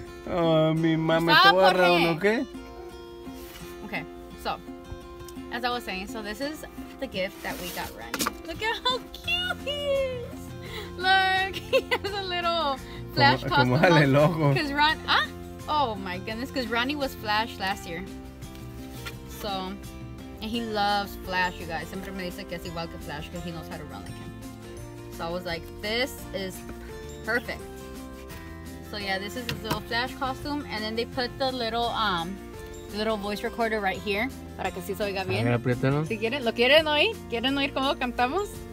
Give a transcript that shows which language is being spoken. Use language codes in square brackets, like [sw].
[es] Oh, mi mamá está borra uno, ¿qué? [en] Okay, so, as I was saying, so this is the gift that we got Renny. Look at how cute he is. Look, he has a little flash costume. Because Ron, oh my goodness, because Ronnie was Flash last year. So, and he loves Flash, you guys. [es] Siempre me dice que es igual que Flash [en] because he knows how to run like him. So I was like, this is perfect. So yeah, this is his little Flash costume. And then they put the little voice recorder right here. [es] Para que sí se oiga bien. A ver, apriétalo. Si quieren, ¿lo quieren oír? ¿Quieren oír cómo cantamos?